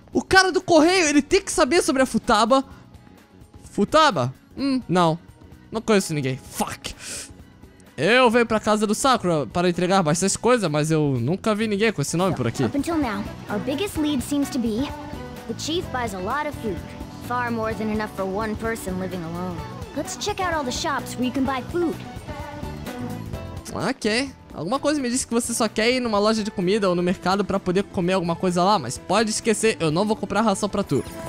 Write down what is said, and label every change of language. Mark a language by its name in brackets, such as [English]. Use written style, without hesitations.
[Portuguese] O cara do correio, ele tem que saber sobre a Futaba. Futaba? Não. Não conheço ninguém. [English] Fuck! [Portuguese] Eu venho pra casa do Sakura para entregar bastante coisa, mas eu nunca vi ninguém com esse nome por aqui. Então, até agora, nosso maior lead parece ser... O [English] chief buys a lot of food. Far more than enough for one person living alone. Let's check out all the shops where you can buy food. Ok. [Portuguese] Alguma coisa me disse que você só quer ir numa loja de comida ou no mercado pra poder comer alguma coisa lá, mas pode esquecer, eu não vou comprar ração pra tu.